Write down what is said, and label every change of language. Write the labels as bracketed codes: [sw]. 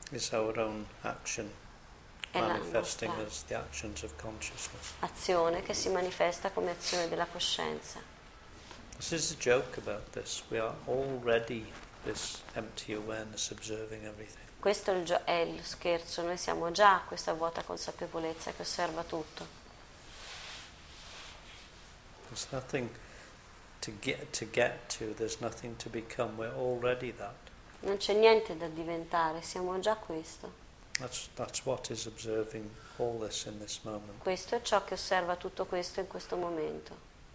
[en] Is our own action manifesting as the actions of consciousness. [it] Azione che si manifesta come azione della coscienza. [en] This is a joke about this. We are already this empty awareness observing everything. [it] Questo è il scherzo. Noi siamo già questa vuota consapevolezza che osserva tutto. [en] There's nothing to get to. There's nothing to become. We're already that. [it] Non c'è niente da diventare. Siamo già questo. [en] That's what is observing all this in this moment. [it] Questo è ciò che osserva tutto questo in questo momento.